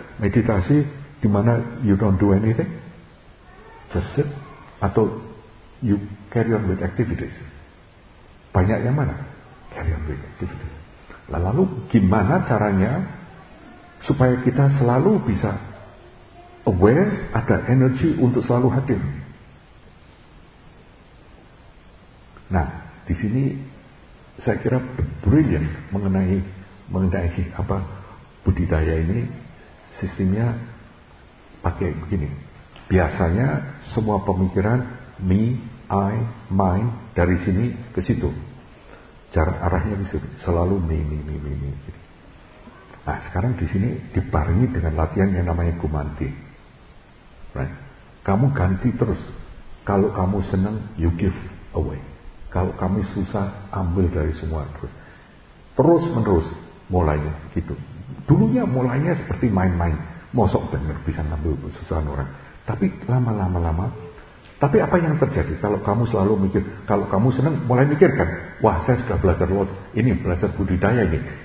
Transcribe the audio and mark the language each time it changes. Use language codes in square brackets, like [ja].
[id] Meditasi di mana [en] you don't do anything. Just sit. [id] Atau [en] you carry on with activities. [id] Banyak yang mana? [en] Carry on with activities. [id] Lalu gimana caranya supaya kita selalu bisa aware, ada energi untuk selalu hadir. Nah, di sini saya kira brilliant mengenai apa budidaya ini, sistemnya pakai begini. Biasanya semua pemikiran [en] me, I, mine [id] dari sini ke situ. Cara arahnya selalu mimi. Nah, sekarang di sini dibarengi dengan latihan yang namanya kumanti. [en] Right? [id] Kamu ganti terus. Kalau kamu senang, [en] you give away. [id] Kalau kamu susah, ambil dari semua. Terus menerus mulainya gitu. Dulunya mulainya seperti main-main. Mosok benar bisa ngambil kesusahan orang. Tapi lama-lama. Tapi apa yang terjadi kalau kamu selalu mikir, kalau kamu senang mulai mikirkan, wah saya sudah belajar Lord, ini belajar budidaya ini.